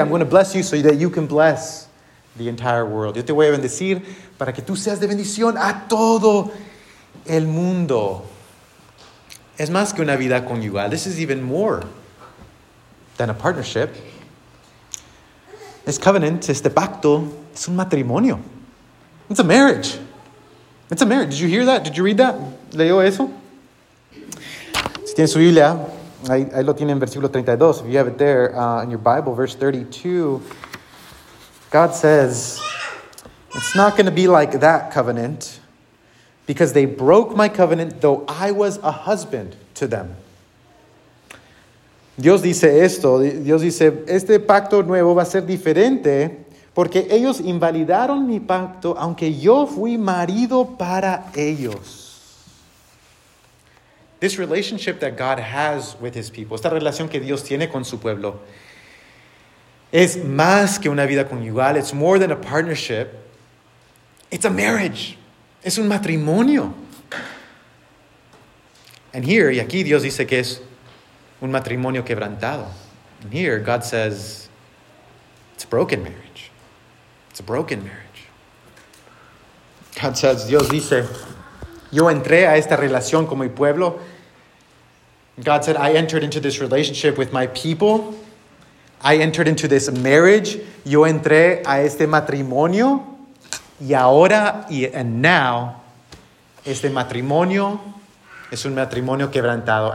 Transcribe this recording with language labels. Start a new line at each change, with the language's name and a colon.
English: I'm going to bless you so that you can bless the entire world.
Spanish: Yo te voy a bendecir para que tú seas de bendición a todo el mundo. Es más que una vida conyugal.
English: This is even more than a partnership.
Spanish: Es covenant, este pacto, es un matrimonio.
English: It's a marriage. It's a marriage. Did you hear that? Did you read that?
Spanish: ¿Leyó eso? Si tienes su Biblia, ahí lo tiene en versículo 32.
English: If you have it there in your Bible, verse 32, God says, it's not going to be like that covenant, because they broke my covenant, though I was a husband to them.
Spanish: Dios dice esto. Dios dice, este pacto nuevo va a ser diferente, porque ellos invalidaron mi pacto, aunque yo fui marido para ellos.
English: This relationship that God has with His people,
Spanish: esta relación que Dios tiene con su pueblo, es más que una vida conyugal.
English: It's more than a partnership. It's a marriage.
Spanish: Es un matrimonio.
English: And here,
Spanish: y aquí Dios dice que es un matrimonio quebrantado.
English: And here, God says, it's a broken marriage. It's a broken marriage. God says,
Spanish: Dios dice, yo entré a esta relación con mi pueblo.
English: God said, I entered into this relationship with my people. I entered into this marriage.
Spanish: Yo entré a este matrimonio. Y ahora,
English: and now,
Spanish: este matrimonio es un matrimonio quebrantado.